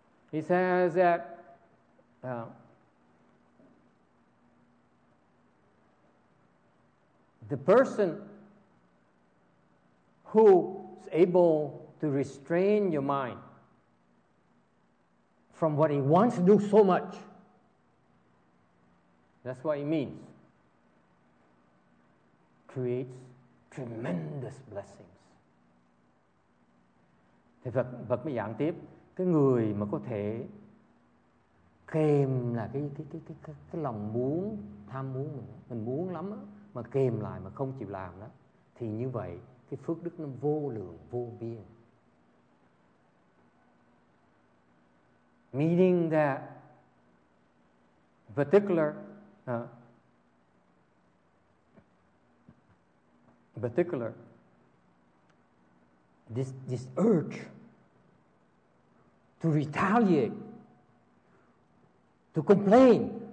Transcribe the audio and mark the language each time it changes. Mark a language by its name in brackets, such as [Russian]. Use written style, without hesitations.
[English] He says that the person who is able to restrain your mind from what he wants to do so much, that's what he means, creates tremendous blessings. [Vietnamese] Thì Phật mới giảng tiếp. Cái người mà có thể kềm là cái lòng muốn, tham muốn mình muốn lắm đó, mà kềm lại mà không chịu làm đó, thì như vậy cái phước đức nó vô lượng vô biên. [English] Meaning that particular this urge to retaliate, to complain.